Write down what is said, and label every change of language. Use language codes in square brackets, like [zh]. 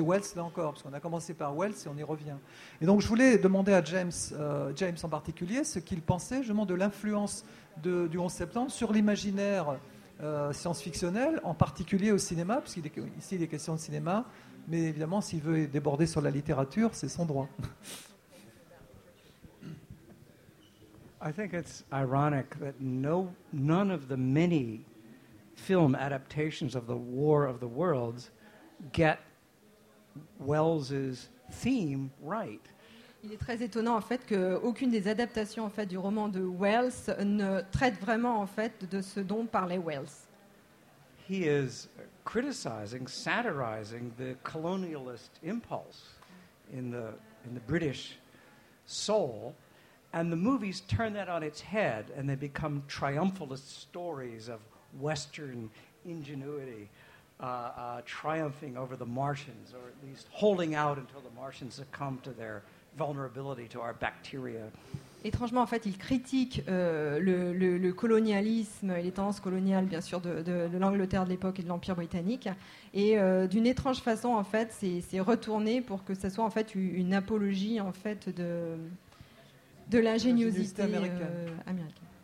[fr] Wells, là encore, parce qu'on a commencé par Wells et on y revient. Et donc je voulais demander à James en particulier ce qu'il pensait justement de l'influence du 11 septembre sur l'imaginaire science-fictionnel, en particulier au cinéma, puisqu'il est, ici il est question de cinéma, mais évidemment s'il veut déborder sur la littérature, c'est son droit. [en] I think it's ironic that none of the many film adaptations of the War of the Worlds get Wells's theme right. [fr] Il est très étonnant en fait que aucune des adaptations en fait du roman de Wells ne traite vraiment en fait de ce dont parlait Wells. [en] He is criticizing, satirizing the colonialist impulse in the British soul. And the movies turn that on its head, and they become triumphalist stories of Western ingenuity triumphing over the Martians, or at least holding out until the Martians succumb to their vulnerability to our bacteria. [fr] étrangement, en fait, il critique le colonialisme et les tendances coloniales, bien sûr, de l'Angleterre de l'époque et de l'Empire britannique. Et d'une étrange façon, en fait, c'est retourné pour que ça soit, en fait, une apologie, en fait, de l'ingéniosité américaine.